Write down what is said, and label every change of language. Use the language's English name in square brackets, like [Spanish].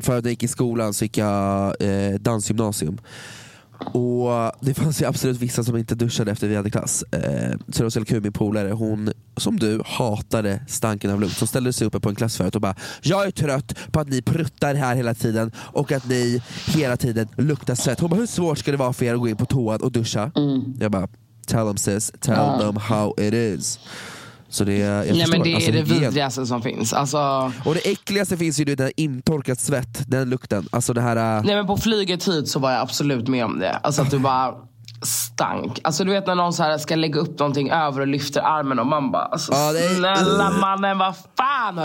[Swedish] För att jag gick i skolan så gick jag dansgymnasium. Och det fanns ju absolut vissa som inte duschade efter vi hade klass. Så det var så kul, min polare, hon som du hatade stanken av lukt. Så ställde sig uppe på en klass förut och bara: jag är trött på att ni pruttar här hela tiden och att ni hela tiden luktar svett. Hon bara: hur svårt ska det vara för er att gå in på toan och duscha? Jag bara: [English] tell them sis, tell them how it is. [Swedish] Så det, jag nej, men det alltså, är det vidrigaste som finns alltså. Och det äckligaste finns ju, du vet, den intorkat svett, den lukten alltså det här, nej men på flyget hit så var jag absolut med om det. Alltså att du bara stank. Alltså du vet när någon så här ska lägga upp någonting över och lyfter armen och man bara alltså, snälla mannen, vad fan har